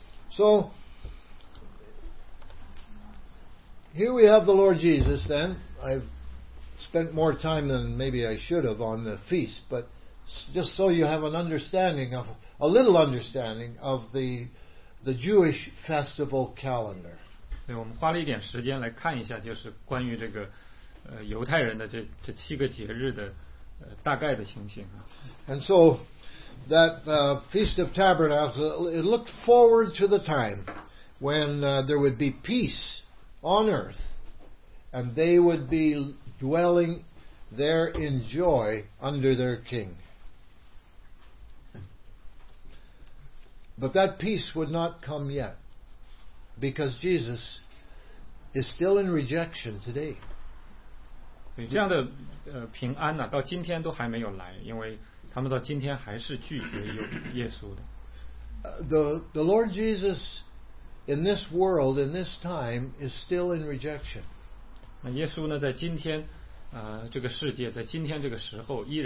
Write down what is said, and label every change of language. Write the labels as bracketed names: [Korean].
[English] So, here we have the Lord Jesus then. I've spent more time than maybe I should have on the feast, but just so you have an understanding of, a little understanding of the Jewish festival calendar. [Chinese] 对, 我们花了一点时间来看一下, 就是关于这个, 犹太人的这七个节日的, 大概的情形。 [English] And so, that Feast of Tabernacles, it looked forward to the time when there would be peace on earth, and they would be dwelling there in joy under their king. But that peace would not come yet, because Jesus is still in rejection today. [Chinese] 这样的, 平安啊, 到今天都还没有来, 因为他们到今天还是拒绝耶稣的。 [English] The Lord Jesus in this world, in this time, is still in rejection. [Chinese] 那耶稣呢, 在今天, 这个世界, 在今天这个时候,